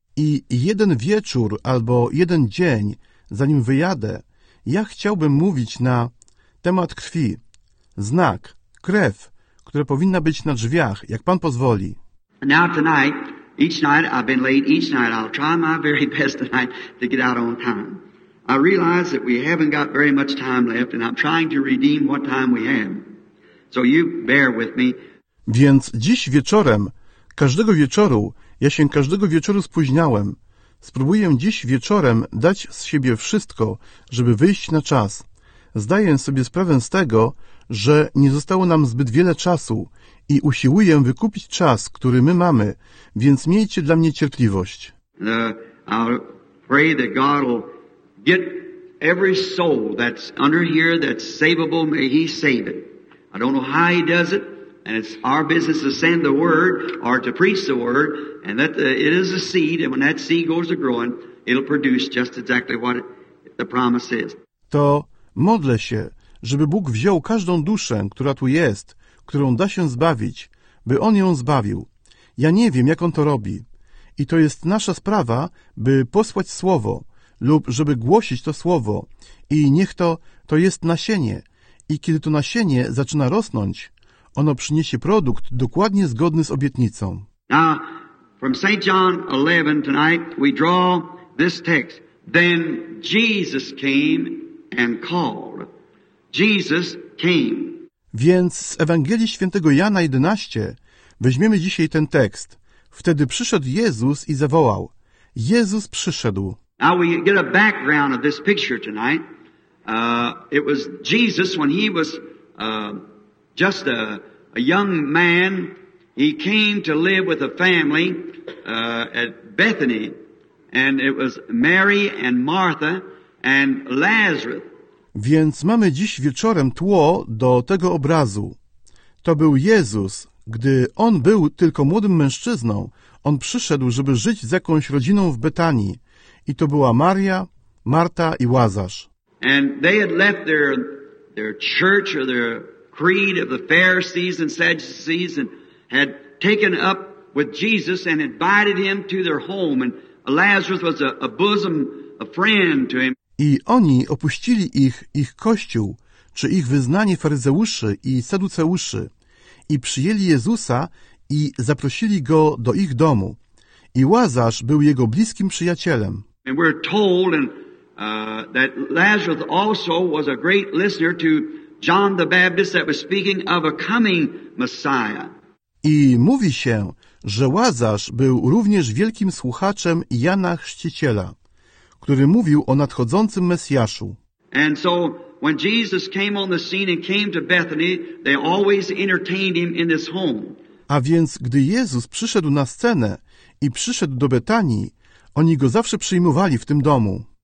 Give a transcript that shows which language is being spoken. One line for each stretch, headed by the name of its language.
Polish: I jeden wieczór albo jeden dzień, zanim wyjadę, ja chciałbym mówić na temat krwi, znak, krew, która powinna być na drzwiach, jak Pan pozwoli.
English: Now tonight, each night, I've been late each night, I'll try my very best tonight to get out on time. I realize that we haven't got very much time left and I'm trying to redeem what time we have. So you bear with me.
Polish: Więc dziś wieczorem, każdego wieczoru, ja się każdego wieczoru spóźniałem. Spróbuję dziś wieczorem dać z siebie wszystko, żeby wyjść na czas. Zdaję sobie sprawę z tego, że nie zostało nam zbyt wiele czasu i usiłuję wykupić czas, który my mamy, więc miejcie dla mnie cierpliwość.
English: I'll pray that God will get every soul that's under here that's savable, may He save it. I don't know how He does it, and it's our business to send the word or to preach the word, and that it is a seed, and when that seed goes to growing, it'll produce just exactly what the promise is.
Polish: To modlę się, żeby Bóg wziął każdą duszę, która tu jest, którą da się zbawić, by On ją zbawił. Ja nie wiem, jak On to robi. I to jest nasza sprawa, by posłać słowo lub żeby głosić to słowo. I niech to jest nasienie. I kiedy to nasienie zaczyna rosnąć, ono przyniesie produkt dokładnie zgodny z obietnicą.
English: Now, from St. John 11 tonight, we draw this text. Then Jesus came and called. Jesus came.
Polish: Więc z Ewangelii Świętego Jana 11 weźmiemy dzisiaj ten tekst. Wtedy przyszedł Jezus i zawołał. Jezus przyszedł.
English: Now we get a background of this picture tonight. It was Jesus when he was just a young man. He came to live with a family at Bethany, and it was Mary and Martha and Lazarus.
Polish: Więc mamy dziś wieczorem tło do tego obrazu. To był Jezus. Gdy On był tylko młodym mężczyzną, On przyszedł, żeby żyć z jakąś rodziną w Betanii. I to była Maria, Marta i Łazarz.
English: And they had left their church or their creed of the Pharisees and Sadducees and had taken up with Jesus and invited Him to their home. And Lazarus was a bosom a friend to Him.
Polish: I oni opuścili ich kościół, czy ich wyznanie faryzeuszy i saduceuszy, i przyjęli Jezusa i zaprosili Go do ich domu. I Łazarz był Jego bliskim przyjacielem.
English: And we're told that Lazarus also was a great listener to John the Baptist that was speaking of a coming Messiah.
Polish: I mówi się, że Łazarz był również wielkim słuchaczem Jana Chrzciciela, który mówił o nadchodzącym Mesjaszu.
English: And so when Jesus came on the scene and came to Bethany, they always entertained him in this home.
Polish: A więc gdy Jezus przyszedł na scenę i przyszedł do Betanii, oni go zawsze przyjmowali w tym domu.